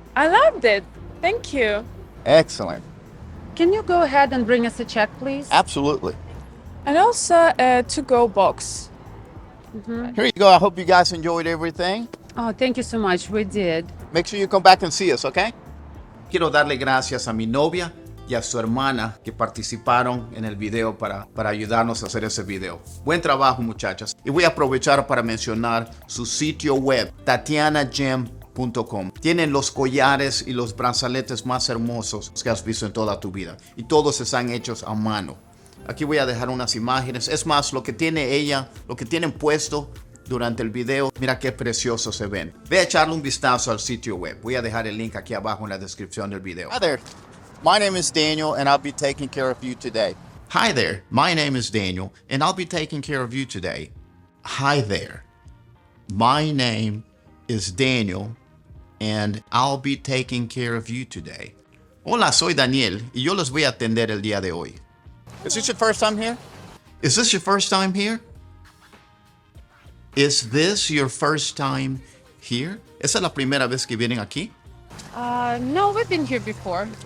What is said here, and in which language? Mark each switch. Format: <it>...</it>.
<en>I loved it. Thank you. Excellent. Can you go ahead and bring us a check, please? Absolutely. And also a to-go box. Mm-hmm. Here you go. I hope you guys enjoyed everything. Oh, thank you so much. We did. Make sure you come back and see us, okay?</en> <es>Quiero darle gracias a mi novia y a su hermana que participaron en el video para ayudarnos a hacer ese video. Buen trabajo, muchachas. Y voy a aprovechar para mencionar su sitio web, tatianagem.com. Tienen los collares y los brazaletes más hermosos que has visto en toda tu vida. Y todos están hechos a mano. Aquí voy a dejar unas imágenes. Es más, lo que tiene ella, lo que tienen puesto durante el video, mira qué precioso se ven. Ve a echarle un vistazo al sitio web. Voy a dejar el link aquí abajo en la descripción del video.</es> <en>Hi there. My name is Daniel, and I'll be taking care of you today. Hi there. My name is Daniel, and I'll be taking care of you today. Hi there. My name is Daniel, and I'll be taking care of you today.</en> <es>Hola, soy Daniel, y yo los voy a atender el día de hoy.</es> <en>Is this your first time here? Is this your first time here? Is this your first time here?</en> <es>¿Esa es la primera vez que vienen aquí?</es> <en>No, we've been here before.</en>